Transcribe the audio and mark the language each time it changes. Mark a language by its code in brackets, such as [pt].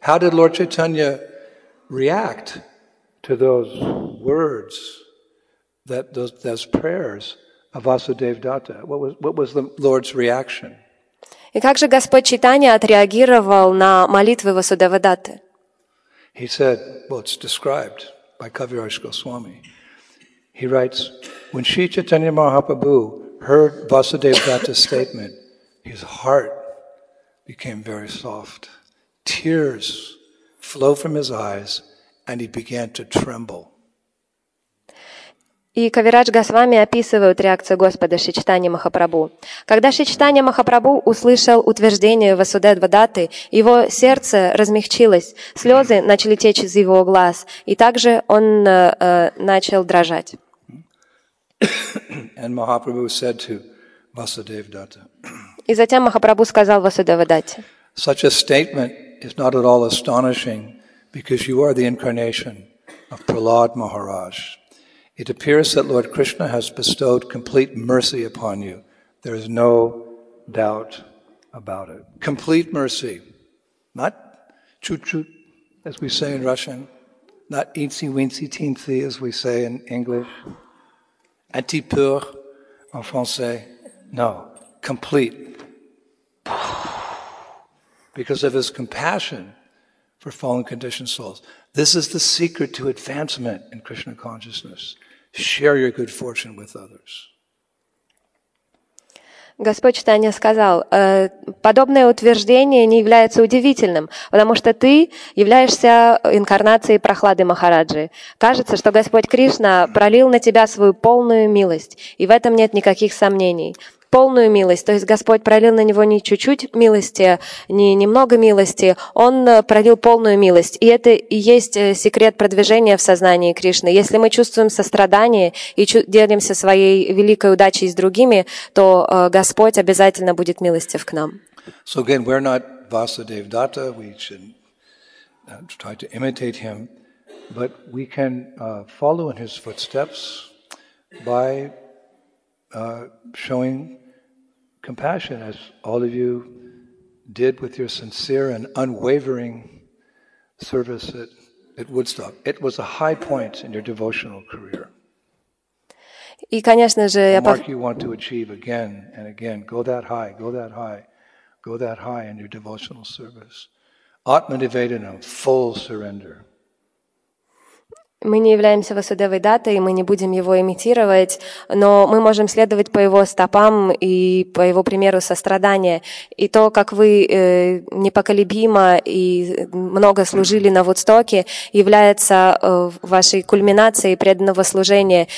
[en] How did Lord Chaitanya react to those words, those prayers Vasudevdatta. What was the Lord's reaction? [ru] И как же Господь Чайтанья отреагировал на молитвы Васудевадатты? [en] He said, well, it's described by Kaviraj Goswami. He writes, when Sri Chaitanya Mahaprabhu heard Vasudevdatta's statement, his heart became very soft. Tears flowed from his eyes, and he began to tremble. [ru] И Кавирадж Госвами описывает реакцию Господа Шри Чайтаньи Махапрабху. Когда Шри Чайтанья Махапрабху услышал утверждение Васудевадатты, его сердце размягчилось, слезы начали течь из его глаз, и также он начал дрожать. И затем Махапрабху сказал Васудевадатте. [en] Such a statement is not at all astonishing, because you are the incarnation of Prahlad Maharaj. It appears that Lord Krishna has bestowed complete mercy upon you. There is no doubt about it. Complete mercy. Not chut-chut, as we say in Russian. Not eensy-weensy-teensy, as we say in English. [fr] Un petit peu en français. [en] No. Complete. Because of his compassion for fallen conditioned souls. This is the secret to advancement in Krishna consciousness. Share your good fortune with others. [ru] Господь Чайтанья сказал, подобное утверждение не является удивительным, потому что ты являешься инкарнацией Прохлады Махараджи. Кажется, что Господь Кришна пролил на тебя свою полную милость, и в этом нет никаких сомнений. Полную милость, то есть Господь пролил на него не чуть-чуть милости, не немного милости, Он пролил полную милость. И это и есть секрет продвижения в сознании Кришны. Если мы чувствуем сострадание и делимся своей великой удачей с другими, то Господь обязательно будет милостив к нам. [en] So again, we're not Vasudevdatta, we should try to imitate him, but we can follow in his footsteps by showing compassion, as all of you did with your sincere and unwavering service at Woodstock. It was a high point in your devotional career. [ru] И, конечно же, [en] the mark you want to achieve again and again. Go that high, go that high, go that high in your devotional service. Atma Nivedanam, full surrender. [ru] Мы не являемся Васудевадаттой, мы не будем его имитировать, но мы можем следовать по его стопам и по его примеру сострадания. И то, как вы непоколебимо и много служили на Вудстоке, является вашей кульминацией преданного служения.